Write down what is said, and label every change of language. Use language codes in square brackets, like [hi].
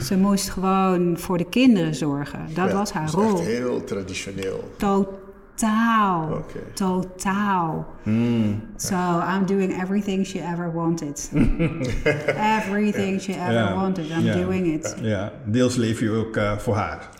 [nl] Ze moest gewoon voor de kinderen zorgen. Dat was haar rol. Echt heel traditioneel. Totaal. Okay. Totaal. Mm. [en] So, I'm doing everything she ever wanted. Everything she ever wanted. I'm doing it. [nl] Ja, deels leef je ook voor haar.